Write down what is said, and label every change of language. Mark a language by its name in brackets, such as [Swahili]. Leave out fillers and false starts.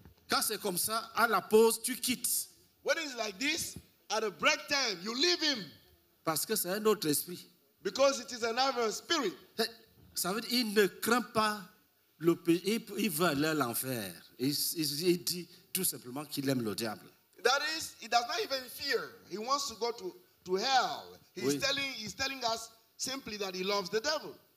[French] Quand c'est comme ça, à la pause, tu quittes. [English] When it's like this, at a break time, you leave him. [French] Parce que c'est un autre esprit. [English] Because it is another spirit. [French] Ça veut dire, il ne craint pas. Il veut aller à l'enfer. Il dit tout simplement qu'il aime le diable. [English] That is, he does not even fear. He wants to go to hell. He's telling us simply that he loves the devil.